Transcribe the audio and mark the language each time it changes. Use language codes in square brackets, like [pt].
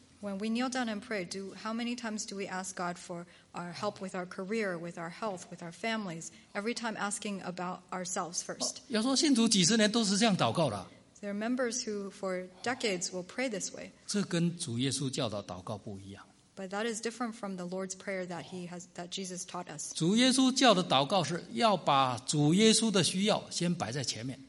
[en] When we kneel down and pray, how many times do we ask God for our help with our career, with our health, with our families? Every time asking about ourselves first. [zh] 要说信主几十年都是这样祷告的。 [en] There are members who for decades will pray this way. [zh] 这跟主耶稣教导祷告不一样。 [en] But that is different from the Lord's prayer that he has that Jesus taught us. [zh] 主耶稣教的祷告是要把主耶稣的需要先摆在前面。